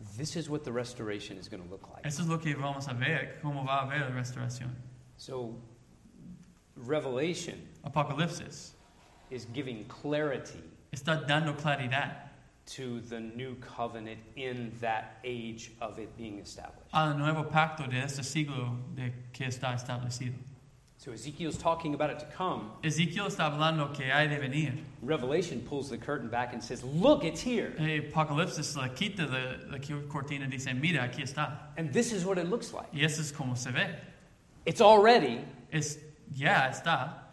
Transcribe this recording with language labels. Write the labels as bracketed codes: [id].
[en] This is what the restoration is going to look like. [es] Eso es lo que vamos a ver, cómo va a haber la restauración. [en] So, Revelation. [es] Apocalipsis. [en] Is giving clarity. [es] Está dando claridad. [en] to the new covenant in that age of it being established. [es] Al nuevo pacto de este siglo de que está establecido. [en] So Ezekiel's talking about it to come. [es] Ezekiel está hablando que hay de venir. [en] Revelation pulls the curtain back and says, look, it's here. [es] Hey, Apocalypse quita la cortina y dice, mira, aquí está. [en] And this is what it looks like. [es] Y eso es como se ve. [en] It's already. [es] Es, yeah, está.